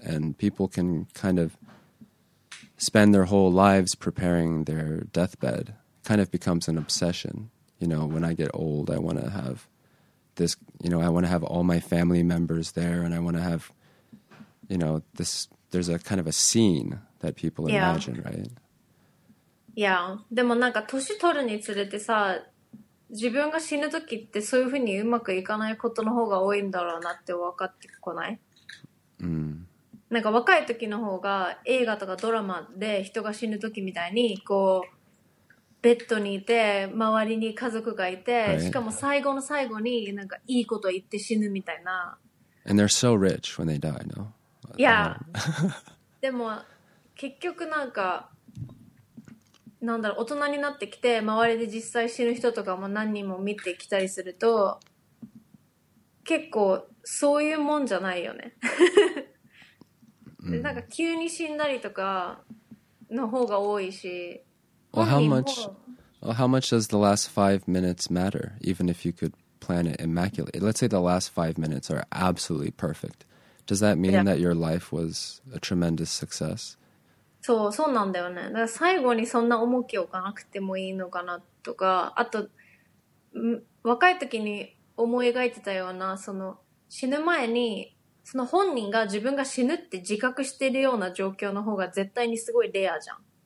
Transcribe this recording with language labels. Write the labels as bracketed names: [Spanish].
[English] And people can kind of spend their whole lives preparing their deathbed. It kind of becomes an obsession. You know, when I get old, I want to have this, you know, I want to have all my family members there, and I want to have, you know, this, there's a kind of a scene that people imagine, right? Yeah. [Japanese] でもなんか年取るにつれてさ、自分が死ぬ時ってそういうふうにうまくいかないことの方が多いんだろうなって分かってこない？なんか若い時の方が映画とかドラマで人が死ぬ時みたいにこうベッドにいて周りに家族がいて、しかも最後の最後になんかいいこと言って死ぬみたいな。 [English] And they're so rich when they die, no? Yeah. [Japanese] でも結局なんか、なんだろう、大人になってきて周りで実際死ぬ人とかも何人も見てきたりすると、結構そういうもんじゃないよね。でなんか急に死んだりとかの方が多いし。 [English] Well, how much does the last 5 minutes matter? Even if you could plan it immaculately, let's say the last 5 minutes are absolutely perfect. Does that mean that your life was a tremendous success? [Japanese] そう、そうなんだよね。だから最後にそんな重きを置かなくてもいいのかなとか、あと、若い時に思い描いてたような、その死ぬ前に、その本人が自分が死ぬって自覚してるような状況の方が絶対にすごいレアじゃん。